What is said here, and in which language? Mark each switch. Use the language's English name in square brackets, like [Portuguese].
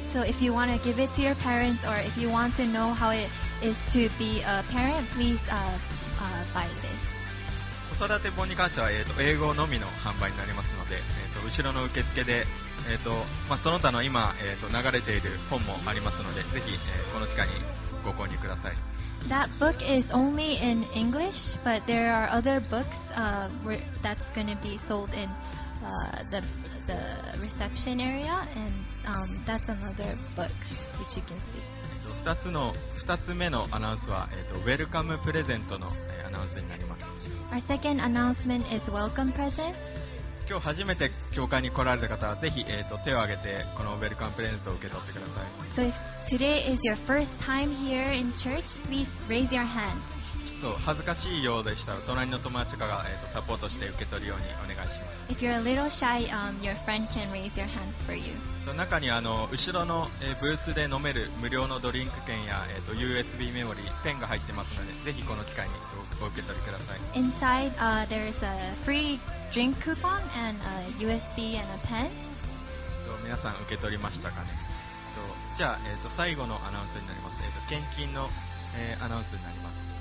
[English] So if you want to give it to your parents or if you want to know how it is to be a parent, please. By this. [Japanese] 子育て本に関しては、英語のみの販売になりますので、後ろの受付で、まあ、その他の今、流れている本もありますので、ぜひ、この機会にご購入ください。 [English] That book is only in English, but there are other books that's going to be sold in the reception area, and that's another book which you can see. [Japanese] 2つ目のアナウンスは、ウェルカムプレゼントの、アナウンスになります。 [English] Our second announcement is welcome present. [Japanese] 今日初めて教会に来られた方はぜひ、手を挙げてこのウェルカムプレゼントを受け取ってください。 [English] So if today is your first time here in church, please raise your hand. [Japanese] ちょっと恥ずかしいようでしたら隣の友達が、サポートして受け取るようにお願いします。 [English] If you're a little shy, your friend can raise your hand for you. [Japanese] 中にあの後ろの、ブースで飲める無料のドリンク券や、USB メモリー、ペンが入ってますので、ぜひこの機会にお受け取りください。 [English] Inside, there's a free drink coupon and a USB and a pen. [Japanese] 皆さん受け取りましたかね。じゃあ、最後のアナウンスになります。献金の、アナウンスになります。